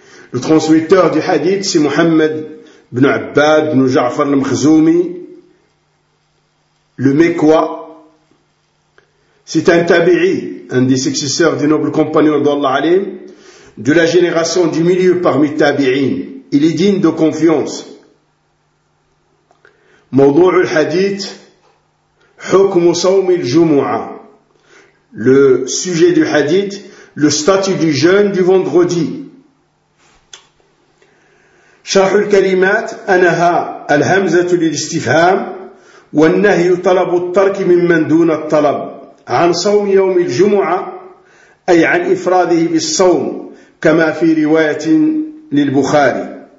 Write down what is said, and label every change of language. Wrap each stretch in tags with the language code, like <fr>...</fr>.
<fr>Le transmetteur du hadith, c'est Muhammad ibn Abbad ibn Ja'far al-Makhzoumi, le Mekwa. C'est un tabi'i, un des successeurs du noble compagnon d'Allah Alim, de la génération du milieu parmi tabi'in. Il est digne de confiance.</fr> <ar>موضوع الحديث حكم صوم الجمعة.</ar> <fr>Le sujet du hadith, le statut du jeûne du vendredi.</fr> <ar>شرح الكلمات أنها الهمزة للاستفهام والنهي طلب الترك ممن دون الطلب عن صوم يوم الجمعة أي عن إفراده بالصوم كما في رواية للبخاري.</ar>